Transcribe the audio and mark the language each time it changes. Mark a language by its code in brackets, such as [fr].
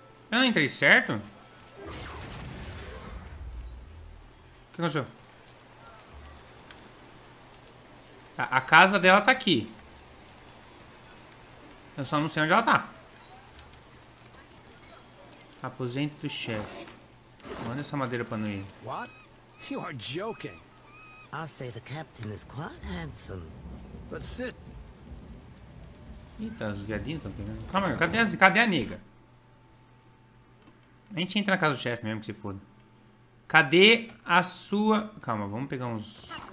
[pt] Eu não entrei certo? O que aconteceu? Tá, a casa dela tá aqui. Eu só não sei onde ela tá. Aposento do chefe. Manda essa madeira pra nós. [en] What? You are joking. I say the captain is quite handsome. But sit. [pt] Eita, os viadinhos estão pegando. Calma aí, cadê a nega? A gente entra na casa do chefe mesmo, que se foda. Cadê a sua... Calma, vamos pegar uns...